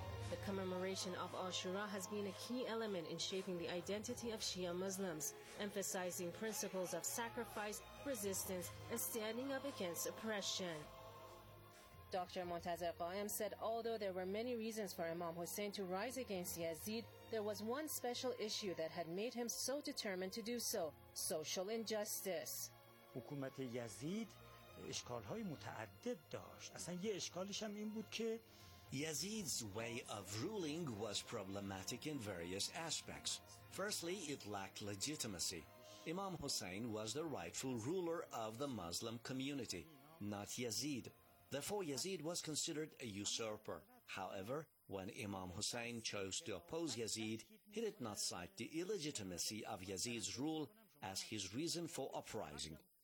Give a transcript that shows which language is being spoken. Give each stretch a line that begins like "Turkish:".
English: The commemoration of Ashura has been a key element in shaping the identity of Shia Muslims, emphasizing principles of sacrifice, resistance, and standing up against oppression. Dr. Montazer Qaim said although there were many reasons for Imam Hussein to rise against Yazid, there was one special issue that had made him so determined to do so, social injustice.
Persian: حکومت یزید اشکال‌های متعدد داشت. اصلا یه اشکالش هم این بود که
English: Yazid's way of ruling was problematic in various aspects. Firstly, it lacked legitimacy. Imam Hussein was the rightful ruler of the Muslim community, not Yazid. Therefore, Yazid was considered a usurper. However, when Imam Hussein chose to oppose Yazid, he did not cite the illegitimacy of Yazid's rule as his reason for uprising.